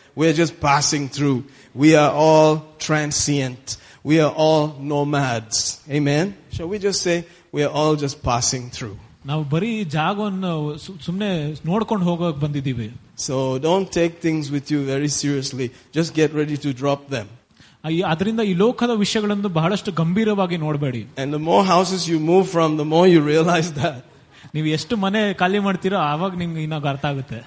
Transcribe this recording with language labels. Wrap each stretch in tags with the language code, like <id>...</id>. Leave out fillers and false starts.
<en>We're just passing through. We are all transient. We are all nomads. Amen. Shall we just say we are all just passing through?</en> <kn>Now, bari jagavannu sumne nodkondu hogok bandidive.</kn> <en>So don't take things with you very seriously. Just get ready to drop them.</en> <kn>ಅದರಿಂದ ಈ ಲೋಕದ ವಿಷಯಗಳನ್ನು ಬಹಳಷ್ಟು ಗಂಭೀರವಾಗಿ ನೋಡಬೇಡಿ.</kn> <en>And the more houses you move from, the more you realize that.</en> <kn>ನೀವು ಎಷ್ಟು ಮನೆ ಖಾಲಿ ಮಾಡ್ತೀರೋ ಆವಾಗ ನಿಮ್ಗೆ ಇನ್ನೂ ಅರ್ಥ ಆಗುತ್ತೆ.</kn>